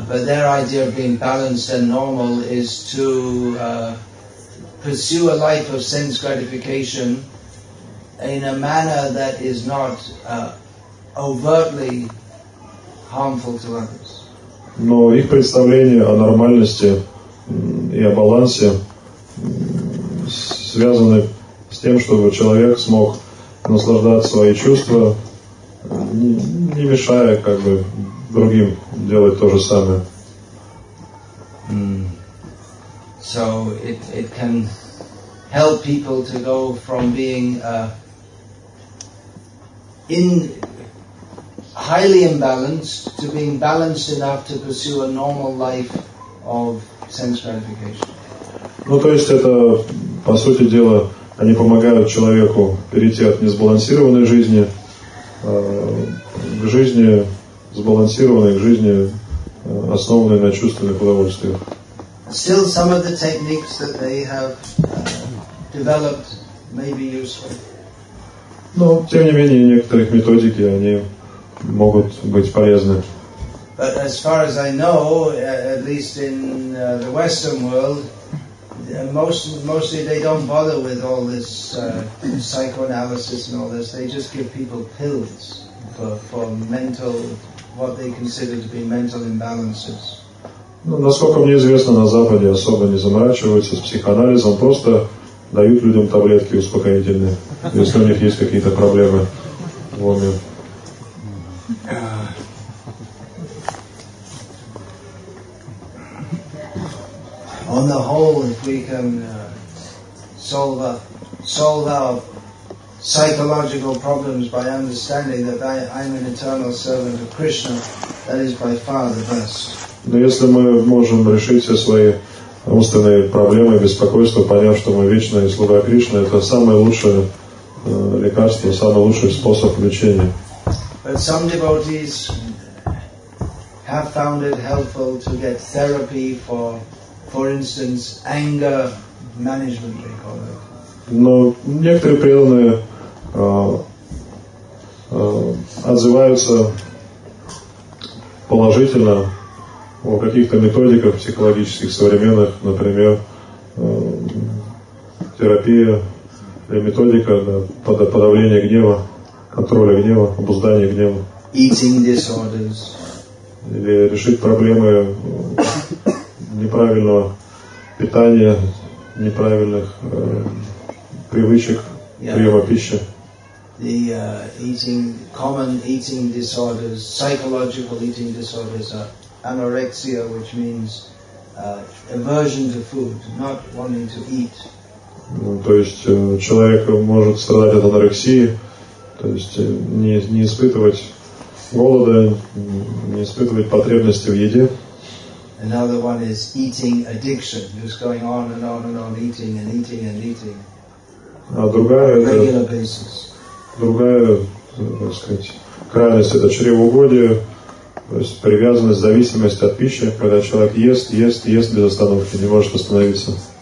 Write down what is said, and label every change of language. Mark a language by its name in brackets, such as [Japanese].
[English] But their idea of being balanced and normal is to pursue a life of sense gratification in a manner that is not overtly harmful to others. [Russian] Но их представление о нормальности и о балансе связаны с тем, чтобы человек смог наслаждаться свои чувства, не мешая как бы другим делать то же самое. [English] So it can help people to go from being in highly imbalanced to being balanced enough to pursue a normal life of sense gratification. [Russian] Ну то есть это по сути дела они помогают человеку перейти от несбалансированной жизни к жизни сбалансированной, к жизни, основанной на чувственных удовольствиях. [English] Still some of the techniques that they have developed may be useful. [Russian] Но, тем не менее, некоторых методики, они могут быть полезны. [English] But as far as I know, at least in the Western world, mostly they don't bother with all this psychoanalysis and all this. They just give people pills for mental, what they consider to be mental imbalances. [Russian] Ну, насколько мне известно, на Западе особо не заморачиваются с психоанализом, просто дают людям таблетки успокоительные, если у них есть какие-то проблемы в уме. [English] On the whole, if we can solve our psychological problems by understanding that I'm an eternal servant of Krishna, that is by far the best. [Russian] Но если мы можем решить все свои умственные проблемы и беспокойства, поняв, что мы вечные слуга Кришны, это самое лучшее лекарство, самый лучший способ лечения. [English] But some devotees have found it helpful to get therapy for instance, anger management, they call it. [Russian] Но некоторые преданные отзываются положительно о каких-то методиках психологических современных, например, терапия или методика подавления гнева, контроля гнева, обуздания гнева. [English] Eating disorders. [Russian] Или решить проблемы неправильного питания, неправильных привычек, приема пищи. [English] The common eating disorders, psychological eating disorders are anorexia, which means aversion to food, not wanting to eat. [Russian] Ну, то есть человек может страдать от анорексии, то есть не испытывать голода, не испытывать потребности в еде. [English] Another one is eating addiction, just going on and on and on, eating and eating and eating. [Russian] А другая, [English] on a regular basis. [Russian] Другая, так сказать, крайность — это чревоугодие. То есть привязанность, зависимость от пищи, когда человек ест, ест, ест без остановки, не может остановиться.